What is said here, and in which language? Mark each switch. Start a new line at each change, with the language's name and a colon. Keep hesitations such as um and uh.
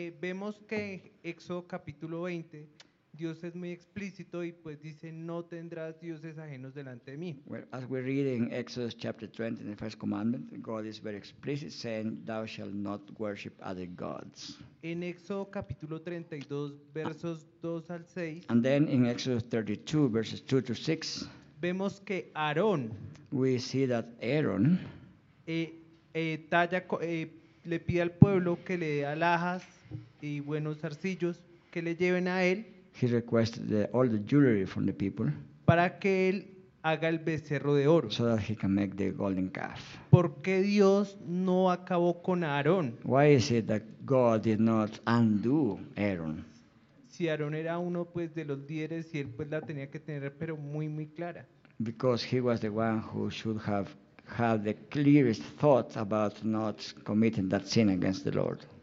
Spanish: vemos que Exo capítulo 20 Dios es muy explícito y pues dice no tendrás dioses ajenos delante de mí.
English: Well, as we read in Exodus chapter 20 in the first commandment, God is very explicit saying thou shall not worship other gods.
Spanish: En Éxodo capítulo 32 versos uh, 2 al 6.
English: And then in Exodus 32 verses 2 to 6.
Spanish: Vemos que Aarón
English: we see that Aaron
Spanish: eh, eh, talla, eh, le pide al pueblo que le dé alhajas y buenos zarcillos que le lleven a él
English: he requested the, all the jewelry from the people.
Spanish: Para que él haga el becerro de oro.
English: So that he can make the golden calf.
Spanish: ¿Por qué Dios no acabó con Aarón?
English: Why is it that God did not undo Aaron?
Spanish: Si Aarón era uno pues, de los líderes y él pues, la tenía que tener pero muy muy clara.
English: Because he was the one who should have had the clearest thought about not committing that sin against the Lord.